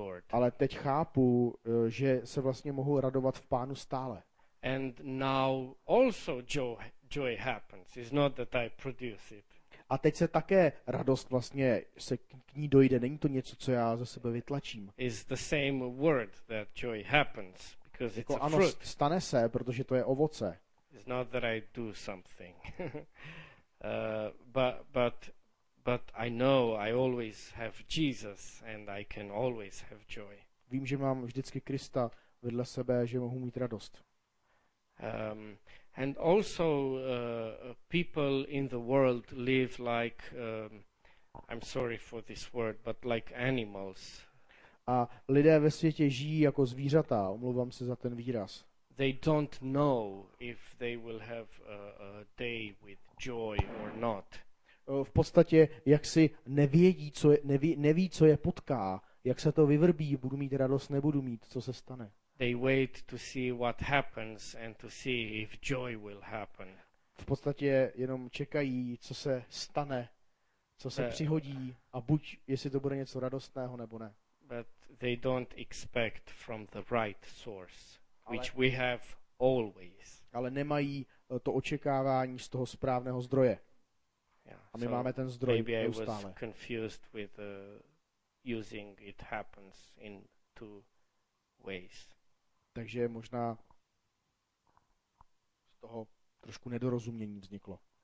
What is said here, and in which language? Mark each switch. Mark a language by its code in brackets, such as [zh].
[cs] Ale teď chápu, že se vlastně mohu radovat v Pánu stále. [en] And now also joy happens. It's not that I produce it. [cs] A teď se také radost vlastně se k ní dojde. Není to něco, co já ze sebe vytlačím. [en] Is the same word that joy happens because [cs] jako [en] it's [cs] ano, [en] a fruit. [cs] Stane se, protože to je ovoce. [en] It's not that I do something. but I know I always have Jesus and I can always have joy. [cs] Vím, že mám vždycky Krista vedle sebe, že mohu mít radost. [en] And also people in the world live like I'm sorry for this word but like animals. [cs] A lidé ve světě žijí jako zvířata, omlouvám se za ten výraz. [en] They don't know if they will have a day with joy or not. [cs] V podstatě jaksi neví co je potká, jak se to vyvrbí, budu mít radost, nebudu mít, co se stane. [en] They wait to see what happens and to see if joy will happen. [cs] V podstatě jenom čekají, co se stane, co se přihodí a buď jestli to bude něco radostného nebo ne. [en] But they don't expect from the right source, which we have always. [cs] Ale nemají to očekávání z toho správného zdroje. A my máme ten zdroj [en] maybe I was [cs] neustále. [en] confused with using it happens in two ways. [cs] Takže možná z toho trošku nedorozumění vzniklo.